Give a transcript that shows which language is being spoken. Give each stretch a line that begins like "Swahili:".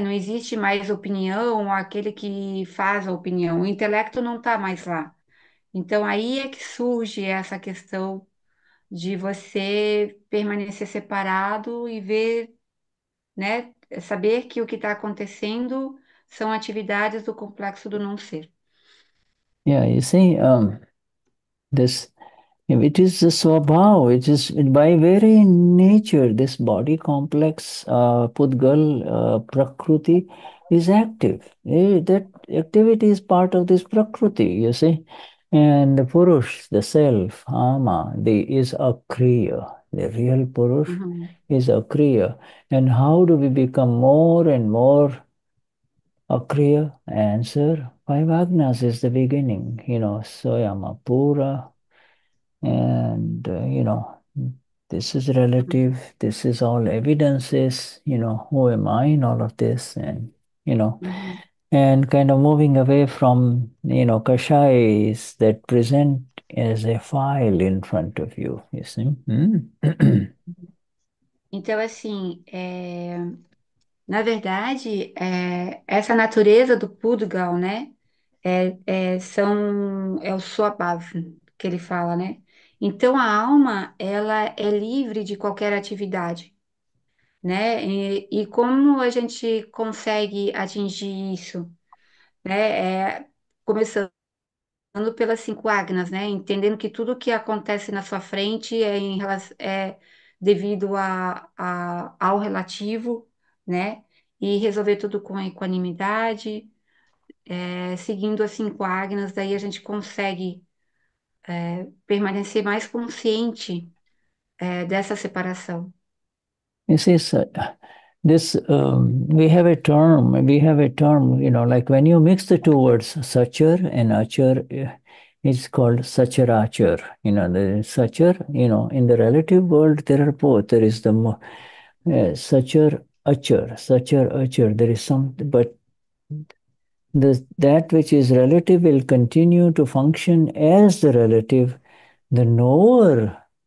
Portuguese: Não existe mais opinião, aquele que faz a opinião, o intelecto não está mais lá. Então aí é que surge essa questão de você permanecer separado e ver, né? Saber que o que está acontecendo são atividades do complexo do não ser.
English: Yeah, you see, this it is a swabhava. It is by very nature this body complex, pudgal, prakriti is active. That activity is part of this prakriti, you see, and the purush, the self, ama, is akriya. The real purush is akriya. And how do we become more and more akriya? Answer. Five agnas is the beginning, you know, soyama pura, and you know, this is relative, this is all evidences, you know, who am I in all of this, and you know, and kind of moving away from, you know, kashais that present as a file in front of you see.
Portuguese: Então, assim, na verdade, essa natureza do Pudgal, né? É o Swabhava que ele fala, né? Então, a alma, ela é livre de qualquer atividade, né? E como a gente consegue atingir isso, né? Começando pelas cinco agnas, né? Entendendo que tudo que acontece na sua frente é devido ao relativo, né? E resolver tudo com equanimidade, seguindo as cinco agnas, daí a gente consegue permanecer mais consciente dessa separação.
English: You see, we have a term, you know, like when you mix the two words, searcher and archer, it's called searcher-archer. You know, the searcher, you know, in the relative world, there are both. There is the searcher-archer, there is something, but that which is relative will continue to function as the relative, the knower